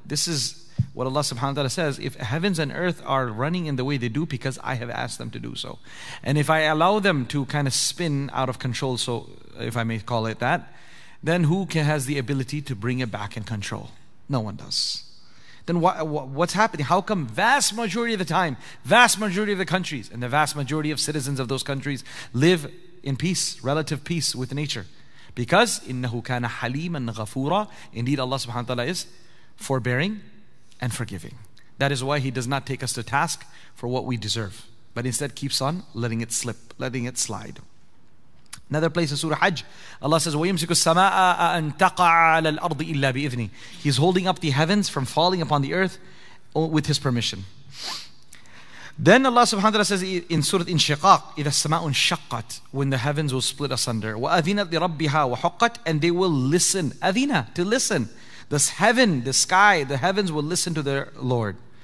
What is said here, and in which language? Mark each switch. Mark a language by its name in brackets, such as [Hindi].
[English] This is what Allah subhanahu wa ta'ala says. If heavens and earth are running in the way they do, because I have asked them to do so, and if I allow them to kind of spin out of control, so if I may call it that, then who has the ability to bring it back in control? No one does. Then what's happening? How come vast majority of the time, vast majority of the countries and the vast majority of citizens of those countries live in peace, relative peace with nature? Because [Arabic] إِنَّهُ كَانَ حَلِيمًا غَفُورًا. [English] Indeed, Allah subhanahu wa ta'ala is forbearing and forgiving. That is why He does not take us to task for what we deserve, but instead keeps on letting it slip, letting it slide. Another place in Surah Hajj, Allah says, [Arabic] وَيُمْسِكُ السَّمَاءَ أَن تَقَعَ عَلَى الْأَرْضِ إِلَّا بِإِذْنِهِ. [English] He's holding up the heavens from falling upon the earth with His permission. Then Allah subhanahu wa ta'ala says in Surah Inshiqaq, [Arabic] إِذَا السَّمَاءُ انشَقَّتْ, [English] when the heavens will split asunder. [Arabic] وَأَذِينَتْ لِرَبِّهَا وَحُقَّتْ, [English] and they will listen. [Arabic] أَذِينَ, [English] to listen. This heaven, the sky, the heavens will listen to their Lord.